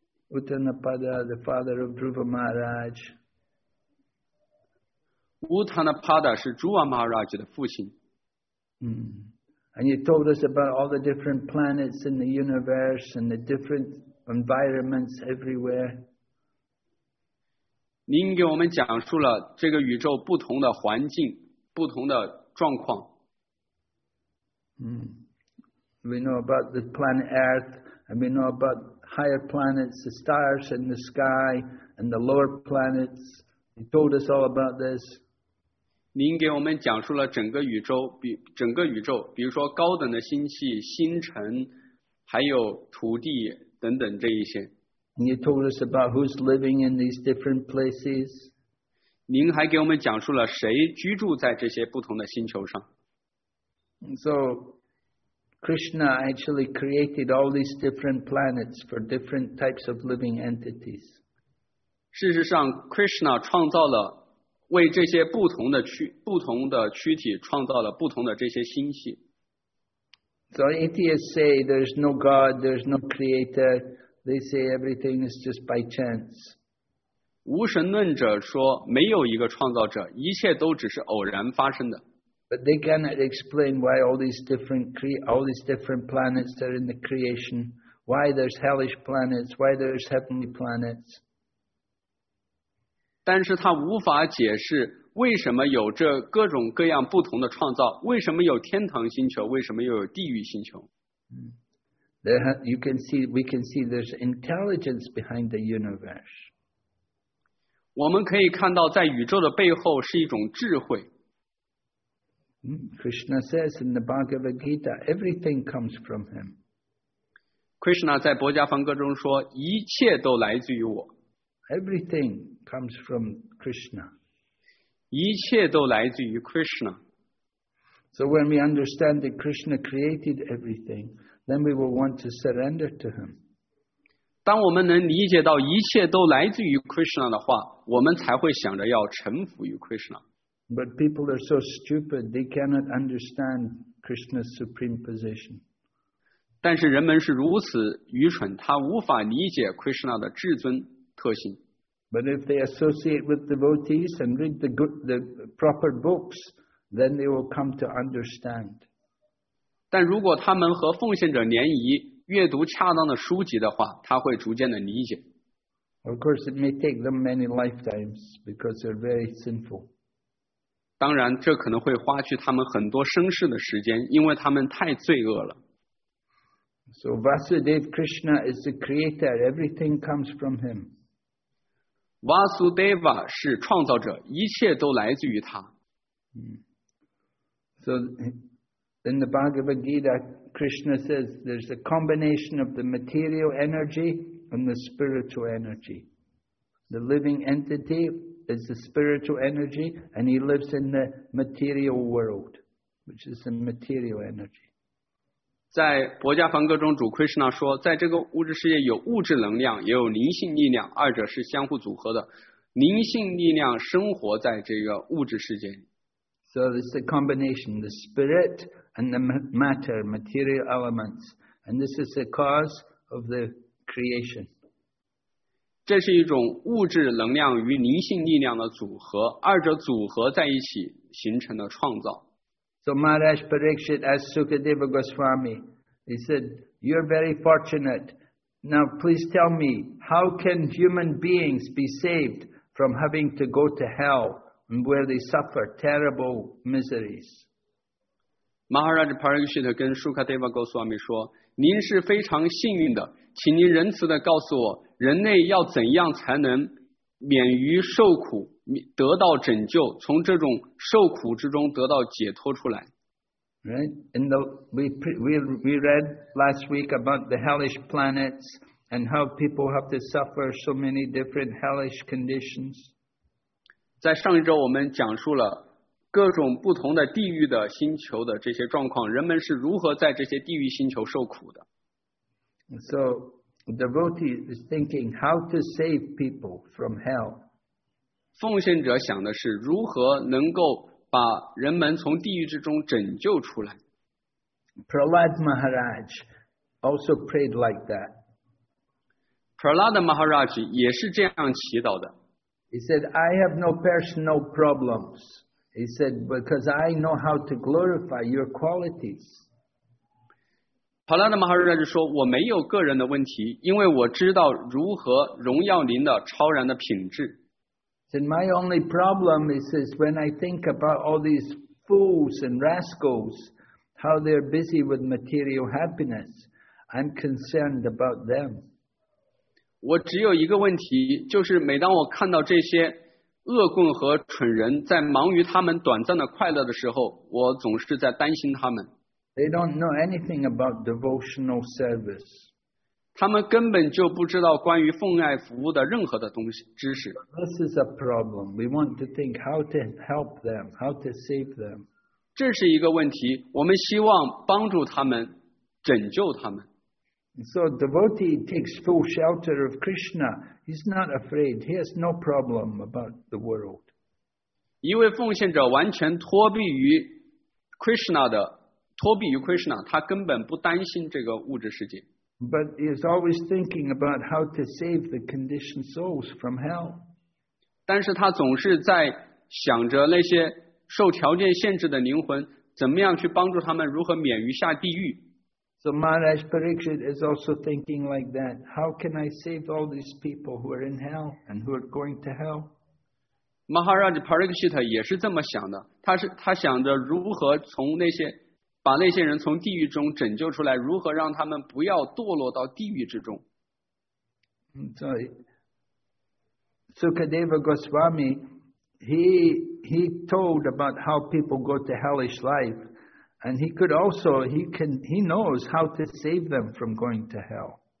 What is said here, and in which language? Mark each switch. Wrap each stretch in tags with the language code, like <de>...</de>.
<en>Uttanapada, the father of Dhruva Maharaj.</en> <zh>Uttanapada 是 Dhruva Maharaj 的父亲。</zh> <en>And you told us about all the different planets in the universe and the different... environments everywhere.</en> <zh>您给我们讲述了这个宇宙不同的环境，不同的状况。</zh> <en>We know about the planet Earth, and we know about higher planets, the stars in the sky, and the lower planets. You told us all about this.</en> <zh>您给我们讲述了整个宇宙，比如说高等的星系、星辰，还有土地。等等这一些。</zh> <en>And you told us about who's living in these different places.</en> <zh>您还给我们讲述了谁居住在这些不同的星球上。</zh> <en>And so, Krishna actually created all these different planets for different types of living entities.</en> <zh>事实上 ,Krishna 创造了为这些不同的躯体创造了不同的这些星系。</zh> <en>So atheists say there's no God, there's no creator. They say everything is just by chance.</en> <zh>无神论者说没有一个创造者，一切都只是偶然发生的。</zh> <en>But they cannot explain why all these different planets are in the creation. Why there's hellish planets? Why there's heavenly planets?</en> <zh>但是他无法解释。为什么有这各种各样不同的创造？为什么有天堂星球？为什么又有地狱星球？</zh> <en>We can see there's intelligence behind the universe.</en> <zh>我们可以看到在宇宙的背后是一种智慧。</zh> <en>Krishna says in the Bhagavad Gita, everything comes from him.</en> <zh>Krishna 在《薄伽梵歌》中说，一切都来自于我。</zh> <en>Everything comes from Krishna.</en> <zh>一切都来自于 Krishna.</zh> <en>So when we understand that Krishna created everything, then we will want to surrender to him.</en> <zh>当我们能理解到一切都来自于 Krishna 的话，我们才会想着要臣服于 Krishna.</zh> <en>But people are so stupid, they cannot understand Krishna's supreme position.</en> <zh>但是人们是如此愚蠢，他无法理解 Krishna 的至尊特性。</zh> <en>But if they associate with devotees and read the proper books, then they will come to understand.</en> <zh>但如果他们和奉献者联谊，阅读恰当的书籍的话，他会逐渐的理解。</zh> <en>Of course, it may take them many lifetimes because they're very sinful.</en> <zh>当然，这可能会花去他们很多生世的时间，因为他们太罪恶了。</zh> <en>So Vasudev Krishna is the creator; everything comes from him.</en> <zh>Vasudeva 是创造者，一切都来自于他。</zh> <en>So in the Bhagavad Gita, Krishna says there's a combination of the material energy and the spiritual energy. The living entity is the spiritual energy, and he lives in the material world, which is the material energy.</en> <zh>在薄伽梵歌中，主 Krishna 说，在这个物质世界有物质能量，也有灵性力量，二者是相互组合的。灵性力量生活在这个物质世界。</zh> <en>So it's a combination, the spirit and the matter, material elements. And this is the cause of the creation.</en> <zh>这是一种物质能量与灵性力量的组合，二者组合在一起形成的创造。</zh> <en>So Maharaj Parikshit asked Sukadeva Goswami, he said, you're very fortunate. Now please tell me, how can human beings be saved from having to go to hell? And where they suffer terrible miseries.</en> <zh>Maharaj Parikshit 跟 Sukadeva Goswami 说，您是非常幸运的，请您仁慈地告诉我，人类要怎样才能免于受苦，得到拯救，从这种受苦之中得到解脱出来。</zh> <en>Right? And we read last week about the hellish planets and how people have to suffer so many different hellish conditions.</en> <zh>在上一周我们讲述了各种不同的地狱的星球的这些状况，人们是如何在这些地狱星球受苦的。</zh> <en>So, the devotee is thinking how to save people from hell.</en> <zh>奉献者想的是如何能够把人们从地狱之中拯救出来。</zh> <en>Prahlad Maharaj also prayed like that.</en> <zh>Prahlad Maharaj 也是这样祈祷的。</zh> <en>He said, I have no personal problems. He said, because I know how to glorify your qualities.</en> <zh>Prahlad Maharaj 说，我没有个人的问题，因为我知道如何荣耀您的超然的品质。</zh> <en>He said, my only problem, he says, when I think about all these fools and rascals, how they're busy with material happiness, I'm concerned about them.</en> <zh>我只有一个问题，就是每当我看到这些恶棍和蠢人在忙于他们短暂的快乐的时候，我总是在担心他们。</zh> <en>They don't know anything about devotional service.</en> <zh>他们根本就不知道关于奉爱服务的任何的东西知识。</zh> <en>This is a problem. We want to think how to help them, how to save them.</en> <zh>这是一个问题，我们希望帮助他们，拯救他们。</zh> <en>So a devotee takes full shelter of Krishna. He's not afraid. He has no problem about the world.</en> <zh>一位奉献者完全脱避于 Krishna 的，脱避于 Krishna， 他根本不担心这个物质世界。</zh> <en>But he is always thinking about how to save the conditioned souls from hell.</en> <zh>但是他总是在想着那些受条件限制的灵魂，怎么样去帮助他们，如何免于下地狱。</zh> <en>So Maharaj Parikshit is also thinking like that. How can I save all these people who are in hell and who are going to hell?</en> <zh>Maharaj Parikshit 也是这么想的。他想着如何从那些把那些人从地狱中拯救出来，如何让他们不要堕落到地狱之中。</zh> <en>So Sukadeva Goswami, he told about how people go to hellish life. And he could also, he knows how to save them from going to hell.</en>